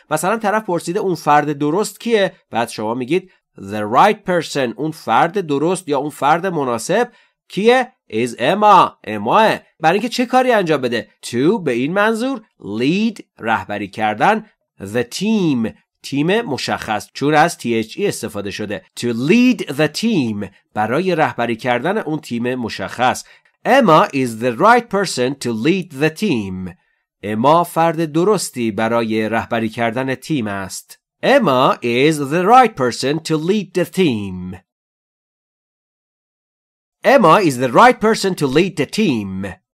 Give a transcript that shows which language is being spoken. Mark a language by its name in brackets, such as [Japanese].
[Persian] مثلا طرف پرسیده اون فرد درست کیه؟ بعد شما میگید [English] the right person، [Persian] اون فرد درست یا اون فرد مناسب کیه؟ [English] is Emma. [Persian] Emma برای اینکه چه کاری انجام بده؟ to به این منظور lead رهبری کردن، [English] the team [Persian] تیم مشخص، چون از THE استفاده شده. [English] to lead the team [Persian] برای رهبری کردن اون تیم مشخص. [English] Emma is the right person to lead the team. [Persian] Emma فرد درستی برای رهبری کردن تیم است. [English] Emma is the right person to lead the team. Emma is the right person to lead the team.